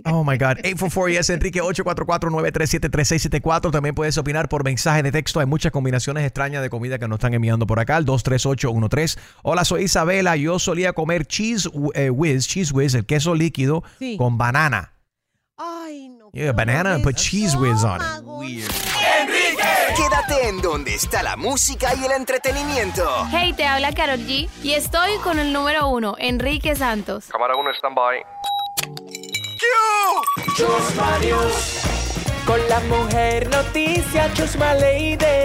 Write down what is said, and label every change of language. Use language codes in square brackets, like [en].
[en] oh my God. 844-YES-ENRIQUE, 844-937-3674. [es] También puedes opinar por mensaje de texto. Hay muchas combinaciones extrañas de comida que nos están enviando por acá. El 23813. Hola, soy Isabela. Yo solía comer cheese whiz, el queso líquido, sí, con banana. Ay, no. [en] Yeah, banana and put cheese whiz on it. [es] ¡Enrique! Quédate en donde está la música y el entretenimiento. Hey, te habla Karol G. Y estoy con el número uno, Enrique Santos. Cámara 1, standby. [en] ¡Cue! Chusma News. [es] Con la mujer noticia, Chusma Lady.